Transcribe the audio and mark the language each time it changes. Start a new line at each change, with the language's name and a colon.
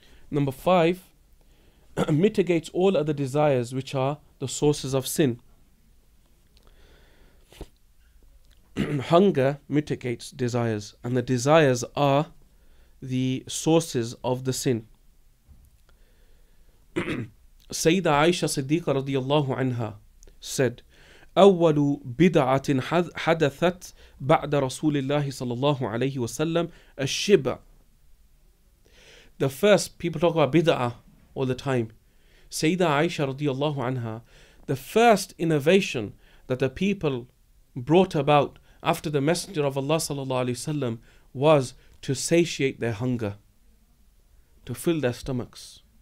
English: Number five, mitigates all other desires which are the sources of sin. Hunger mitigates desires, and the desires are the sources of the sin. Sayyida Aisha Siddiqa radiyallahu anha said,
Arabic: أَوَّلُ بِدْعَةٍ حَدَثَتْ بَعْدَ رَسُولِ اللَّهِ صَلَى اللَّهُ عَلَيْهِ وَسَلَّمَ الشِّبَى.
English: The first, people talk about bid'ah all the time. Sayyida Aisha radiyallahu anha, the first innovation that the people brought about after the Messenger of Allah sallallahu alayhi wasallam was to satiate their hunger, to fill their stomachs.